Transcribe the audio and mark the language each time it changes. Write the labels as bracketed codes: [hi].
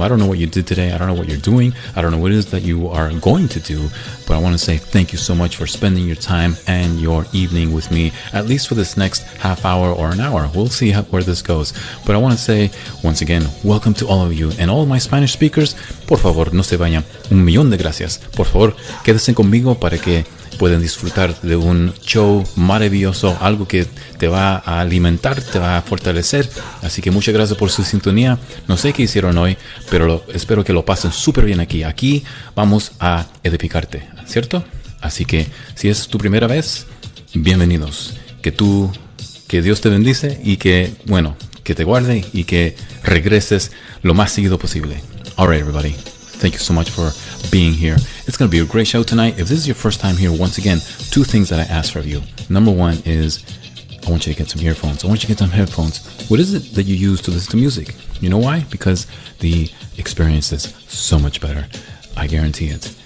[en] I don't know what you did today. I don't know what you're doing. I don't know what it is that you are going to do, but I want to say thank you so much for spending your time and your evening with me, at least for this next half hour or an hour. We'll see where this goes. But I want to say, once again, welcome to all of you and all of my Spanish speakers. [es] Por favor, no se vayan. Un millón de gracias. Por favor, quédense conmigo para que pueden disfrutar de un show maravilloso, algo que te va a alimentar, te va a fortalecer. Así que muchas gracias por su sintonía. No sé qué hicieron hoy, pero espero que lo pasen súper bien aquí. Aquí vamos a edificarte, ¿cierto? Así que si es tu primera vez, bienvenidos. Que Dios te bendice y que, bueno, que te guarde y que regreses lo más seguido posible. [en] All right, everybody. Thank you so much for being here. It's going to be a great show tonight. If this is your first time here, once again, two things that I ask for you. Number one is I want you to get some earphones. I want you to get some headphones. What is it that you use to listen to music? You know why? Because the experience is so much better. I guarantee it.